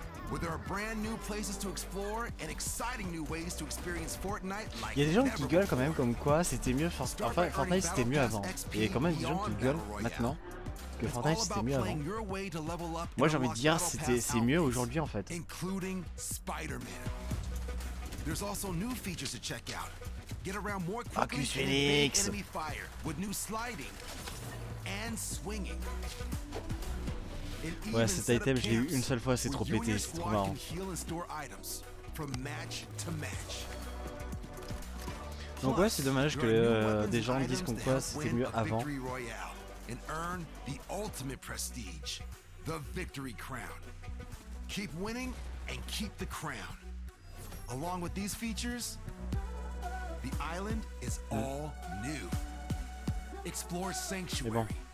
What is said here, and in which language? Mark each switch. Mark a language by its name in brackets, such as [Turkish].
[English] Where there are brand new places to explore and exciting new ways to experience Fortnite. [French] Il y a des gens qui gueulent quand même comme quoi c'était mieux Fortnite c'était mieux avant. Il y a quand même des gens qui gueulent maintenant que Fortnite c'était mieux avant. Moi j'ai envie de dire c'est mieux aujourd'hui en fait. [English] Including Spider-Man. There's also new features to check out. Get around more quickly and evade enemy fire with new sliding and swinging. [French] Ouais, cet item, je l'ai eu une seule fois, c'est trop pété, c'est trop marrant. Donc ouais, c'est dommage que des gens disent qu'on croit que c'était mieux avant. Ouais, c'est bon.